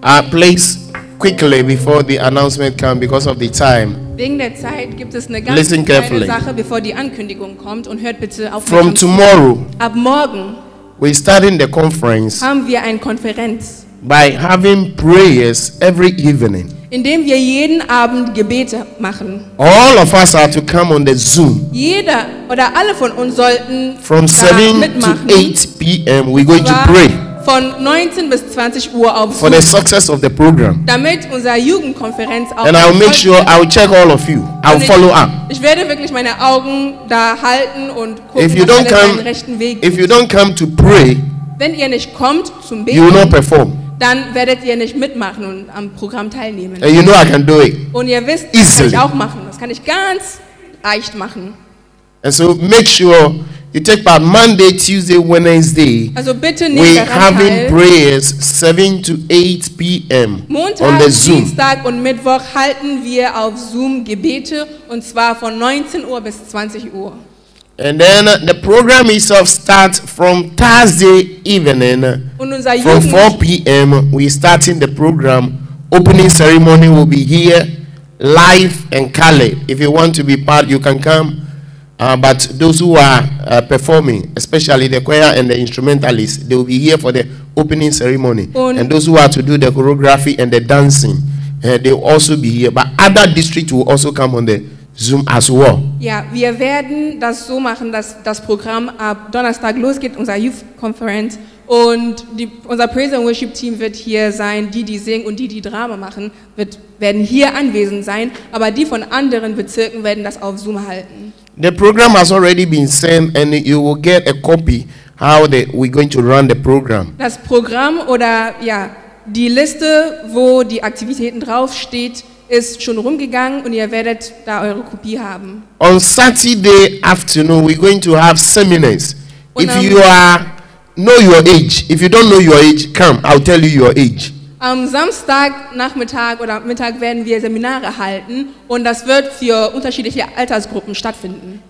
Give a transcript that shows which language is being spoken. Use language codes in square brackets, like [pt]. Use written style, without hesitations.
[en] Please, quickly before the announcement comes, because of the time. [de] Wegen der Zeit gibt es eine ganz kleine Sache, bevor die Ankündigung kommt, und hört bitte auf. [en] From tomorrow. [de] Ab morgen. [en] We start in the conference. [de] Haben wir eine Konferenz. [en] By having prayers every evening. [de] Indem wir jeden Abend Gebete machen. [en] All of us are to come on the Zoom. [de] Jeder oder alle von uns sollten [en] from [de] da [en] 7 [de] mitmachen. [en] To 8 p.m. We're going to pray. [de] Von 19 bis 20 Uhr auf [en] for the success of the program. [de] Damit unsere Jugendkonferenz auch. [en] And I'll make sure I'll check all of you. I'll follow up. [de] Ich werde wirklich meine Augen da halten und gucken, [en] if you [de] dass [en] don't [de] alle [en] come, [de] den rechten Weg [en] if you don't come to pray, [de] wenn ihr nicht kommt zum Beten, [en] you will not perform. [de] dann werdet ihr nicht mitmachen und am Programm teilnehmen. [en] And you know I can do it. [de] Und ihr wisst, das kann ich auch machen. Das kann ich ganz leicht machen. [en] And so make sure you take part Monday, Tuesday, Wednesday. [de] Also bitte nehmt daran teil. [en] We're having prayers 7 to 8 p.m. Montag, on the Zoom. [de] Dienstag und Mittwoch halten wir auf Zoom Gebete und zwar von 19 Uhr bis 20 Uhr. [en] And then the program itself starts from Thursday evening. [de] Und unser Jugend- [en] from 4 p.m. we're starting the program. Opening ceremony will be here live and Kale. If you want to be part, you can come. But those who are performing, especially the choir and the instrumentalists, they will be here for the opening ceremony. And those who are to do the choreography and the dancing, they will also be here. But other districts will also come on the Zoom as well. [de] Ja, wir werden das so machen, dass das Programm ab Donnerstag losgeht, unser Youth Conference, und die, unser Praise and Worship Team wird hier sein, die singen und die Drama machen, werden hier anwesend sein, aber die von anderen Bezirken werden das auf Zoom halten. [en] The program has already been sent and you will get a copy how we're going to run the program. [de] Das Programm oder ja, die Liste, wo die Aktivitäten draufsteht, ist schon rumgegangen und ihr werdet da eure Kopie haben. [en] On Saturday afternoon we're going to have seminars. If you are know your age, if you don't know your age, come, I'll tell you your age. [de] Am Samstag Nachmittag oder Mittag werden wir Seminare halten und das wird für unterschiedliche Altersgruppen stattfinden.